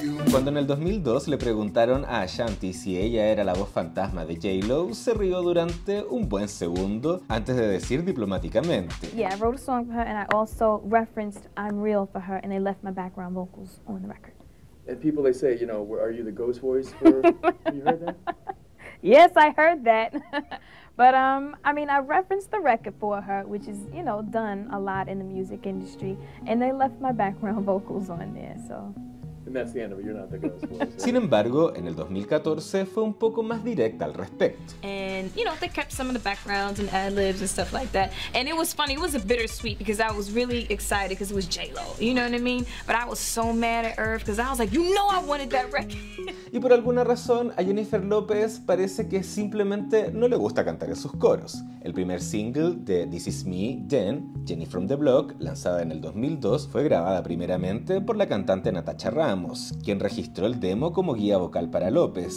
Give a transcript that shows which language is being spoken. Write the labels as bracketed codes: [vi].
[es] Cuando en el 2002 le preguntaron a Ashanti si ella era la voz fantasma de J-Lo, se rió durante un buen segundo antes de decir diplomáticamente: [en] "Yeah, I wrote a song for her and I also referenced Unreal for her and they left my background vocals on the record." And people they say, you know, are you the ghost voice for? You heard that? Yes, I heard that. But I mean, I referenced the record for her, which is, you know, done a lot in the music industry, and they left my background vocals on there, so. [es] Sin embargo, en el 2014 fue un poco más directa al respecto. [en] And you know, they kept some of the backgrounds and ad-libs and stuff like that. And it was funny, it was a bittersweet because I was really excited because it was J-Lo, you know what I mean? But I was so mad at Earth because I was like, you know I wanted that record. [es] Y por alguna razón, a Jennifer López parece que simplemente no le gusta cantar en sus coros. El primer single de This Is Me, Then, Jenny From The Block, lanzada en el 2002, fue grabada primeramente por la cantante Natasha Ramos, quien registró el demo como guía vocal para López.